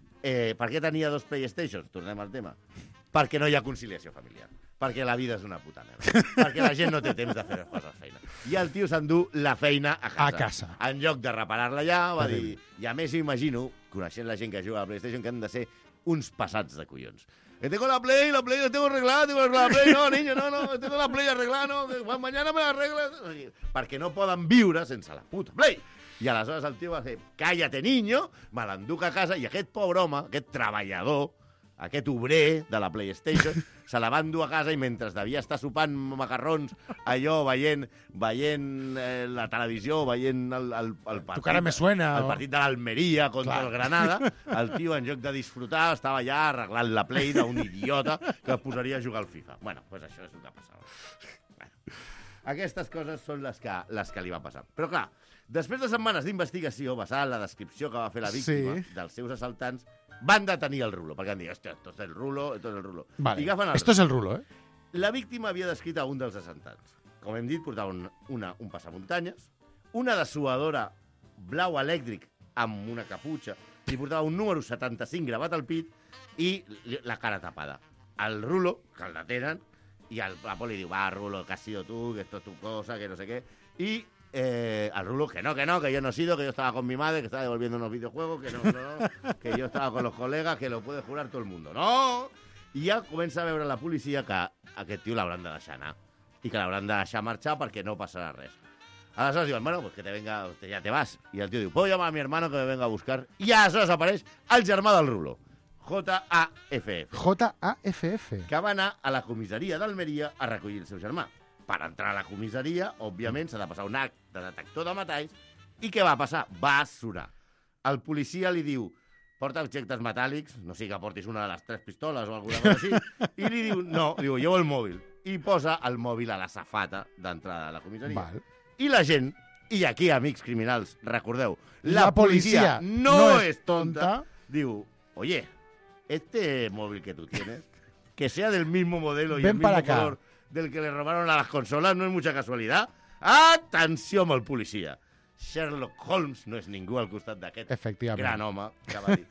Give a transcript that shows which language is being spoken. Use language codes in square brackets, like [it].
[ca] Per què tenia dos PlayStations? Tornem al tema. Perquè no hi ha conciliació familiar. Perquè la vida és una puta merda. Perquè la gent no té temps de fer les coses a feina. I el tio s'endú la feina a casa. A casa. En lloc de reparar-la allà, va dir... I, a més, imagino, coneixent la gent que juga a la PlayStation, que han de ser uns passats de collons. [es] Tengo la Play, la tengo arreglada, tengo la Play, no, niño, no, no, tengo la Play arreglada, no, mañana me la arregles. [ca] Perquè no poden viure sense la puta Play. I aleshores el tio va dir, [es] cállate, niño, [ca] me l'enduc a casa, i aquest pobre home, aquest treballador, aquest obrer de la PlayStation, se la va endur a casa i mentre devia estar sopant macarrons, allò, veient la televisió, veient el partit... [es] Tu cara me suena. [ca] El partit de l'Almeria contra el Granada, el tio, en lloc de disfrutar, estava allà arreglant la Play d'un idiota que et posaria a jugar al FIFA. Bueno, doncs pues això és el que passava. Aquestes coses són les que li va passar. Però clar, després de setmanes d'investigació, basada en la descripció que va fer la víctima, sí, dels seus assaltants, van detenir el Rulo, perquè van dir, hòstia, [es] esto es el Rulo, esto es el Rulo. Vale, esto es el Rulo, eh? [ca] La víctima havia descrit a un dels assaltants. Com hem dit, portava un passamuntanyes, una dessuadora blau elèctric amb una caputxa, i portava un número 75 gravat al pit i la cara tapada. El Rulo, que el detenen, i la poli diu, va, Rulo, [es] que has sido tú, que esto es tu cosa, [ca] que no sé què, i... [es] al Rulo, que no, que yo no he sido, que yo estaba con mi madre, que estaba devolviendo unos videojuegos, que no, que yo estaba con los colegas, que lo puede jurar todo el mundo. ¡No! [ca] I ja comença a veure la policia que aquest tio l'hauran de deixar anar i que l'hauran de deixar marxar perquè no passarà res. Aleshores diuen, [es] bueno, pues que te venga, ya te vas. [ca] I el tio diu, [es] puedo llamar a mi hermano que me venga a buscar. [ca] I aleshores apareix el germà del Rulo, J-A-F-F. J-A-F-F. Que va anar a la comissaria d'Almeria a recollir el seu germà. Per entrar a la comissaria, òbviament, s'ha de passar un acte de detector de metalls. I què va passar? Va sonar. El policia li diu, porta objectes metàl·lics, no sigui que portis una de les tres pistoles o alguna cosa així, i li diu, no, diu, [es] llevo el mòbil. [ca] I posa el mòbil a la safata d'entrada a la comissaria. Val. I la gent, i aquí, amics criminals, recordeu, la policia no és tonta, diu, [es] oye, este mòbil que tu tienes, que sea del mismo modelo y el mismo color... del que le robaron a las consolas, no es mucha casualidad. [ca] ¡Atenció amb el policia! Sherlock Holmes no és ningú al costat d'aquest gran home que va dir.